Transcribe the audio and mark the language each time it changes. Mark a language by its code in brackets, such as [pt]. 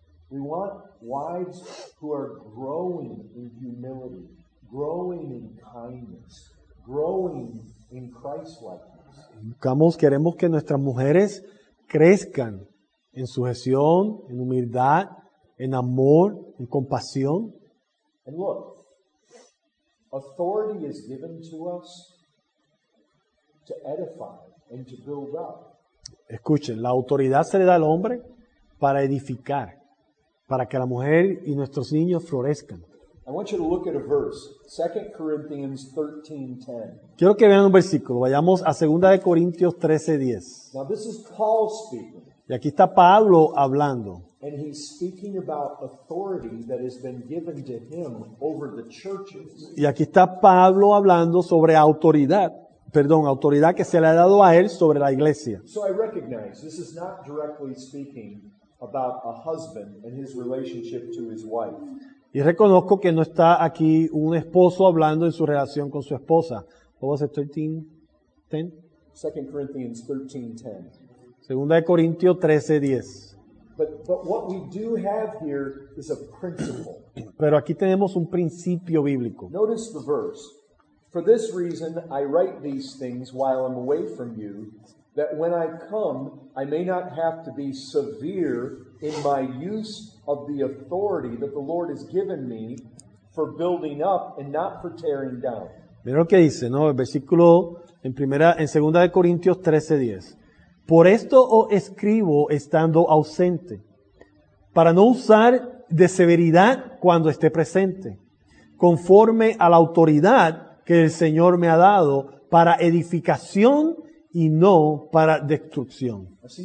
[en] We want wives who are growing in humility, growing in kindness, growing in Christ-likeness. [es] Queremos que nuestras mujeres crezcan en sujeción, en humildad, en amor, en compasión. [en] And look, authority is given to us to edify and to build up. [es] Escuchen, la autoridad se le da al hombre para edificar, para que la mujer y nuestros niños florezcan. [en] I want you to look at a verse, 2 Corinthians 13:10. [es] Quiero que vean un versículo. Vayamos a 2 Corintios 13:10. [en] Now this is Paul speaking. [es] Y aquí está Pablo hablando. [en] And he's speaking about authority that has been given to him over the churches. [es] Y aquí está Pablo hablando sobre autoridad. Perdón, autoridad que se le ha dado a él sobre la iglesia. [en] So I recognize this is not directly speaking about a husband and his relationship to his wife. [es] Y reconozco que no está aquí un esposo hablando en su relación con su esposa. ¿Cómo va a ser 13:10? [en] 2 Corinthians 13:10. [es] 2 Corintios 13:10. [en] But what we do have here is a principle. [es] Pero aquí tenemos un principio bíblico. [en] Notice the verse. For this reason I write these things while I'm away from you, that when I come, I may not have to be severe in my use of the authority that the Lord has given me for building up and not for tearing down. [es] Mira lo que dice, ¿no? El versículo en 2 Corintios 13:10. Por esto os escribo estando ausente, para no usar de severidad cuando esté presente, conforme a la autoridad que el Señor me ha dado para edificación y no para destrucción.